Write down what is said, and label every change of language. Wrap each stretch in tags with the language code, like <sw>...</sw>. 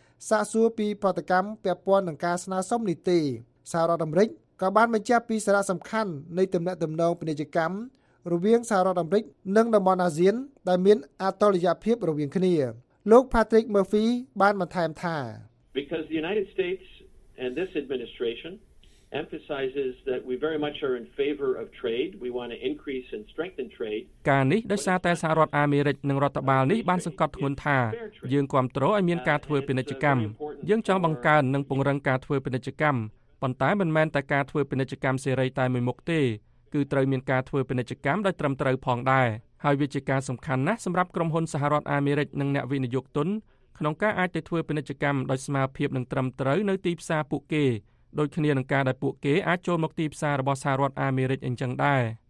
<km>សាកសួរពីប្រតិកម្មពាក់ព័ន្ធនឹងការស្នើសុំនេះទេសហរដ្ឋអាមេរិកក៏បានបញ្ជាក់ពីសារៈសំខាន់នៃទំនាក់ទំនងពាណិជ្ជកម្មរវាងសហរដ្ឋអាមេរិកនិងតំបន់អាស៊ានដែលមានអតុល្យភាពរវាងគ្នាលោក Patrick Murphy បានបន្ថែមថា</km> <en>Because the United States and this administration emphasizes that we very much are in favor of trade we want to increase and strengthen trade</en> <km>ការនេះដោយសារតែសហរដ្ឋអាមេរិកនិងរដ្ឋបាលនេះបានសង្កត់ធ្ងន់ថាយើងគ្រប់គ្រងឲ្យមានការធ្វើពាណិជ្ជកម្មយើងចង់បង្កើននិងពង្រឹងការធ្វើពាណិជ្ជកម្មប៉ុន្តែមិនមែនតែការធ្វើពាណិជ្ជកម្មសេរីតែមួយមុខទេគឺត្រូវមានការធ្វើពាណិជ្ជកម្មដោយត្រឹមត្រូវផងដែរហើយវាជាការសំខាន់ណាស់សម្រាប់ក្រុមហ៊ុនសហរដ្ឋអាមេរិកនិងអ្នកវិនិយោគទុនក្នុងការអាចទៅធ្វើពាណិជ្ជកម្មដោយស្មើភាពនិងត្រឹមត្រូវនៅទីផ្សារពួកគេដូចគ្នានឹងការដែលពួកគេអាចចូលមកទីផ្សាររបស់សហរដ្ឋអាមេរិកអញ្ចឹងដែរ</km>